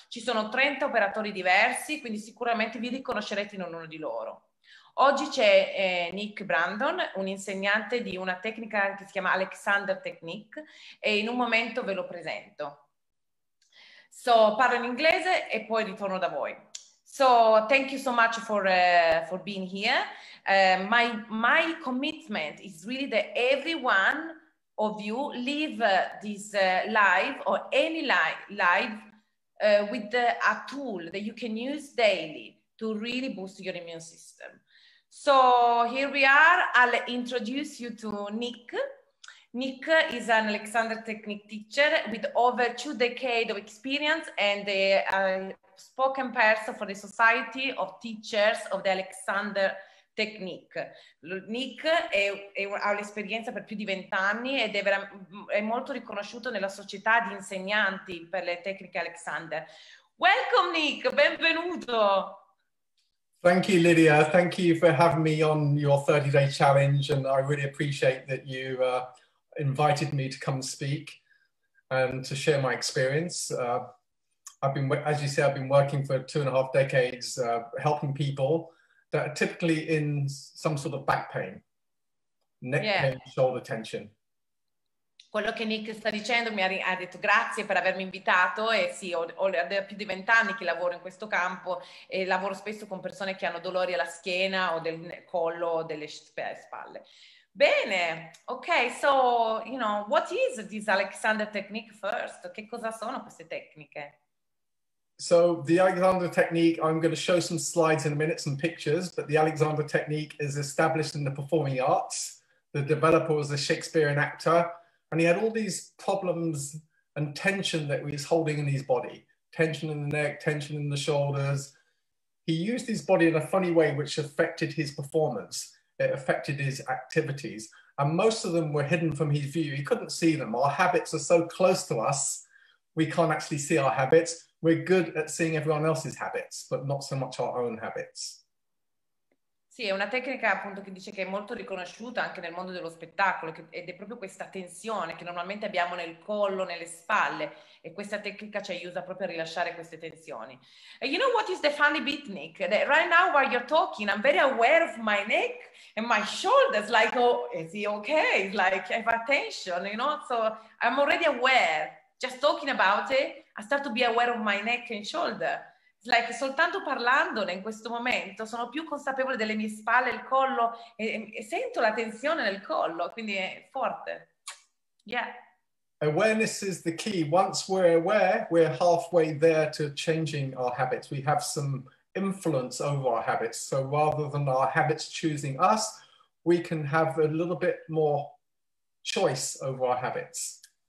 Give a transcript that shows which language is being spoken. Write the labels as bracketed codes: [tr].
[it] Ci sono 30 operatori diversi, quindi sicuramente vi riconoscerete in ognuno di loro. Oggi c'è Nick Brandon, un insegnante di una tecnica che si chiama Alexander Technique, e in un momento ve lo presento. So, parlo in inglese e poi ritorno da voi. [en] So thank you so much for being here. My commitment is really that everyone of you live this live or any live with a tool that you can use daily to really boost your immune system. So here we are. I'll introduce you to Nick. Nick is an Alexander Technique teacher with over 2 decades of experience and a spoken person for the Society of Teachers of the Alexander Technique. [it] Nick ha l'esperienza per più di 20 anni ed è molto riconosciuto nella società di insegnanti per le tecniche Alexander. [en] Welcome Nick, [it] benvenuto! [en] Thank you, Lydia. Thank you for having me on your 30 day challenge, and I really appreciate that you invited me to come speak and to share my experience. I've been working for 2.5 decades helping people that are typically in some sort of back pain, neck pain, shoulder tension. [it] Quello che Nick sta dicendo, mi ha detto grazie per avermi invitato, e sì, ho da più di 20 anni che lavoro in questo campo e lavoro spesso con persone che hanno dolori alla schiena o del collo o delle spalle. Bene, [en] ok, so, you know, what is this Alexander Technique first? [it] Che cosa sono queste tecniche? [en] So the Alexander Technique, I'm going to show some slides in a minute, some pictures, but the Alexander Technique is established in the performing arts. The developer was a Shakespearean actor, and he had all these problems and tension that he was holding in his body. Tension in the neck, tension in the shoulders. He used his body in a funny way, which affected his performance. It affected his activities, and most of them were hidden from his view. He couldn't see them. Our habits are so close to us, we can't actually see our habits. We're good at seeing everyone else's habits, but not so much our own habits. [it] Sì, è una tecnica appunto che dice che è molto riconosciuta anche nel mondo dello spettacolo, ed è proprio questa tensione che normalmente abbiamo nel collo, nelle spalle, e questa tecnica ci aiuta proprio a rilasciare queste tensioni. [en] And you know what is the funny bit, Nick? That right now while you're talking, I'm very aware of my neck and my shoulders, like, oh, is he okay? Like, I have attention, you know? So I'm already aware, just talking about it, I start to be aware of my neck and shoulder. [it] Like, soltanto parlandone in questo momento sono più consapevole delle mie spalle, il collo, e sento la tensione nel collo, quindi è forte. [en] Yeah. Awareness is the key. Once we're aware, we're halfway there to changing our habits. We have some influence over our habits. So rather than our habits choosing us, we can have a little bit more choice over our habits.